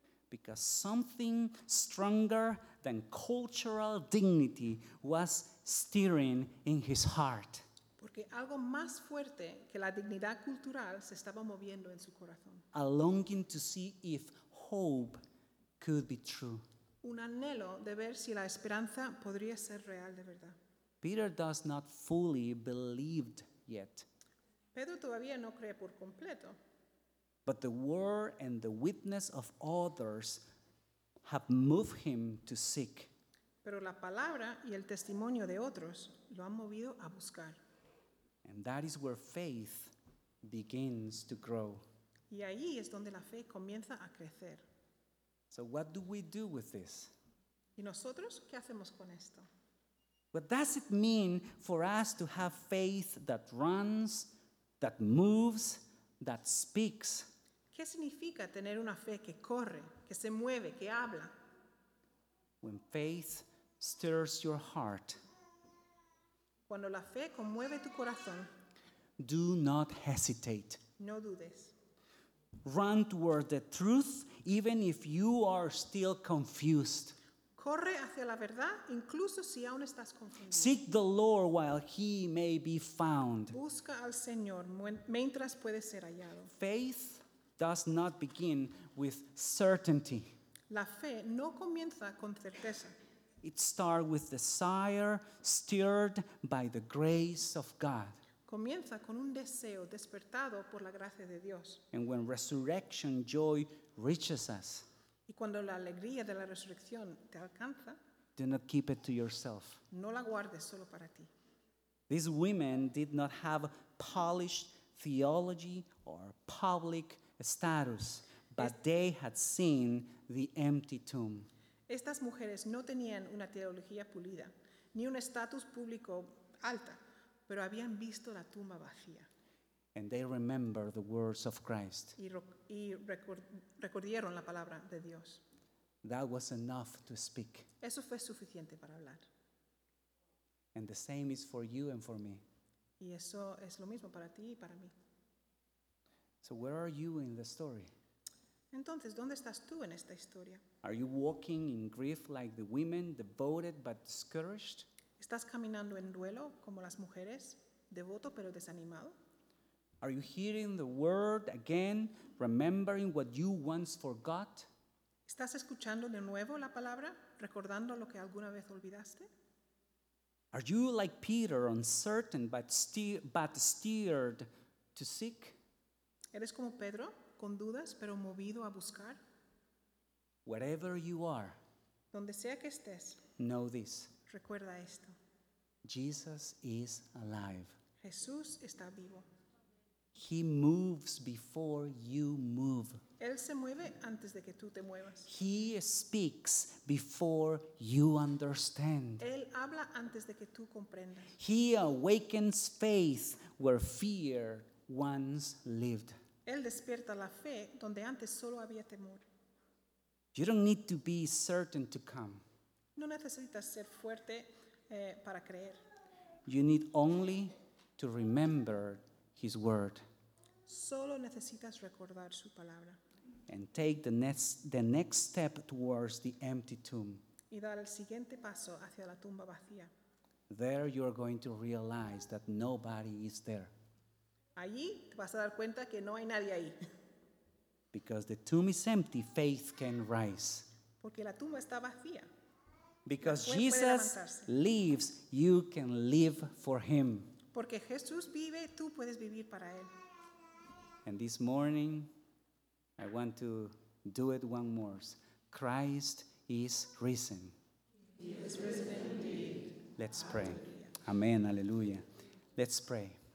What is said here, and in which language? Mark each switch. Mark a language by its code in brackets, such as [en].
[en] Because something stronger than cultural dignity was stirring in his heart. [es] Porque algo más fuerte que la dignidad cultural se estaba moviendo en su corazón. [en] A longing to see if hope could be true. [es] Un anhelo de ver si la esperanza podría ser real de verdad. [en] Peter does not fully believe yet. [es] Pedro todavía no cree por completo. [en] But the word and the witness of others have moved him to seek. [es] Pero la palabra y el testimonio de otros lo han movido a buscar. [en] And that is where faith begins to grow. [es] Y ahí es donde la fe comienza a crecer. [en] So what do we do with this? [es] ¿Y nosotros qué hacemos con esto? [en] What does it mean for us to have faith that runs, that moves, that speaks? [es] ¿Qué significa tener una fe que corre, que se mueve, que habla? [en] When faith stirs your heart, [es] cuando la fe conmueve tu corazón, [en] do not hesitate. [es] No dudes. [en] Run toward the truth, even if you are still confused. [es] Corre hacia la verdad, incluso si aún estás confundido. [en] Seek the Lord while he may be found. [es] Busca al Señor mientras puede ser hallado. [en] Faith does not begin with certainty. [es] La fe no comienza con certeza. [en] It starts with desire stirred by the grace of God. [es] Comienza con un deseo despertado por la gracia de Dios. [en] And when resurrection joy reaches us, [es] y cuando la alegría de la resurrección te alcanza, [en] do not keep it to yourself. [es] No la guardes solo para ti. [en] These women did not have polished theology or public status, but they had seen the empty tomb. [es] Estas mujeres no tenían una teología pulida, ni un estatus público alta, pero habían visto la tumba vacía. [en] And they remember the words of Christ. [es] Y recordaron la palabra de Dios. [en] That was enough to speak. [es] Eso fue suficiente para hablar. [en] And the same is for you and for me. [es] Y eso es lo mismo para ti y para mí. [en] So where are you in the story? [es] Entonces, ¿dónde estás tú en esta historia? [en] Are you walking in grief like the women, devoted but discouraged? [es] ¿Estás caminando en duelo como las mujeres, devoto pero desanimado? [en] Are you hearing the word again, remembering what you once forgot? [es] ¿Estás escuchando de nuevo la palabra, recordando lo que alguna vez olvidaste? [en] Are you like Peter, uncertain but steered to seek? [es] ¿Eres como Pedro, con dudas pero movido a buscar? [en] Wherever you are, [es] donde sea que estés, [en] know this. [es] Recuerda esto. [en] Jesus is alive. [es] Jesús está vivo. [en] He moves before you move. [es] Él se mueve antes de que tú te muevas. [en] He speaks before you understand. [es] Él habla antes de que tú comprendas. [en] He awakens faith where fear once lived. [es] Él despierta la fe donde antes solo había temor. [en] You don't need to be certain to come. [es] No necesitas ser fuerte, para creer. [en] You need only to remember his word. [es] Solo necesitas recordar su palabra. [en] And take the next step towards the empty tomb. [es] Y dar el siguiente paso hacia la tumba vacía. [en] There you are going to realize that nobody is there. [es] Allí te vas a dar cuenta que no hay nadie ahí. [en] Because the tomb is empty, faith can rise. [es] Porque la tumba está vacía. [en] Because Jesus lives, you can live for him. [es] Porque Jesús vive, tú puedes vivir para él. [en] And this morning, I want to do it one more. Christ is risen. He is risen indeed. Let's pray. Hallelujah. Amen. Hallelujah. Let's pray.